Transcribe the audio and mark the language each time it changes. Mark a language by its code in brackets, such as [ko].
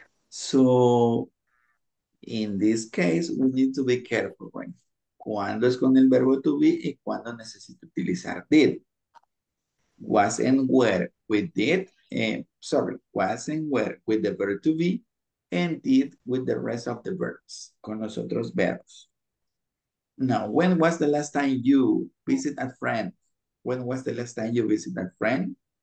[en] So, in this case, we need to be careful, right? [es] ¿Cuándo es con el verbo to be y cuándo necesito utilizar did? [en] Was and where with did, was and where with the verb to be and did with the rest of the verbs, [es] con los otros verbos. [en] Now, when was the last time you visit a friend? When was the last time you visit a friend?